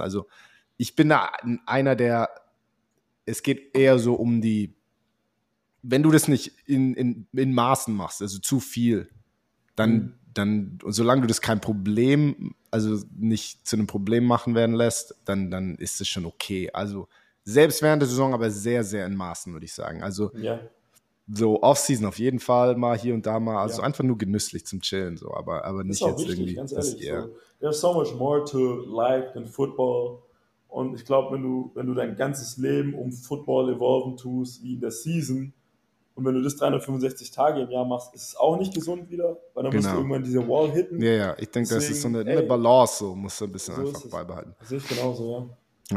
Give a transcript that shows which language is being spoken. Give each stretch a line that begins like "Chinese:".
German: Also ich bin da einer, der, es geht eher so um die, wenn du das nicht in Maßen machst, also zu viel, dann und solange du das kein Problem, also nicht zu einem Problem machen werden lässt, dann ist es schon okay. Also selbst während der Saison, aber sehr, sehr in Maßen, würde ich sagen. Also ja. So, Offseason auf jeden Fall, mal hier und da mal. Also ja, einfach nur genüsslich zum Chillen, so, aber nicht jetzt wichtig, irgendwie. Ganz ehrlich, yeah.
English: So, there's so much more to life than football.
German: Und ich glaube, wenn du dein ganzes Leben um Football evolven tust, wie in der Season, und wenn du das 365 Tage im Jahr machst, ist es auch nicht gesund wieder, weil dann musst du irgendwann diese Wall hitten. Ja, ja, ich denke, das ist so eine Balance, so musst du ein bisschen so einfach beibehalten. Sehe ich genauso, ja.